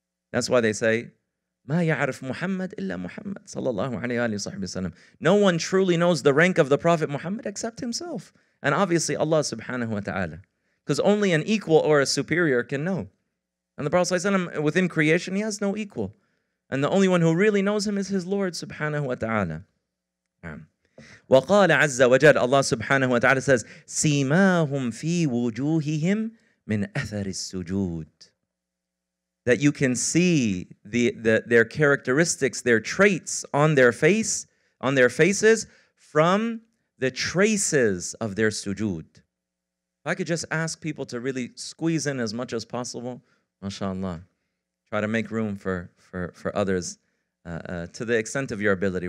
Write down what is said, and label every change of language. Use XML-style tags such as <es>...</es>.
<en>That's why they say,</en> <ar>مَا يَعْرِفْ مُحَمَّدْ إِلَّا مُحَمَّدْ صَلَى اللَّهُ عَلَيْهِ وَآلِهِ وَصَحْبِهِ وَسَلَّمْ.</ar> <en>No one truly knows the rank of the Prophet Muhammad except himself. And obviously Allah subhanahu wa ta'ala. Because only an equal or a superior can know. And the Prophet ﷺ, within creation, he has no equal. And the only one who really knows him is his Lord subhanahu wa ta'ala.</en> <ar>وَقَالَ عَزَّ وَجَدْ.</ar> <en>Allah subhanahu wa ta'ala says,</en> <ar>سِيمَاهُمْ فِي وُجُوهِهِمْ مِنْ أَثَرِ السُّجُودِ.</ar> <en>That you can see their characteristics, their traits on their face, on their faces, from the traces of their sujood. If I could just ask people to really squeeze in as much as possible, mashallah, try to make room for others to the extent of your ability.</en>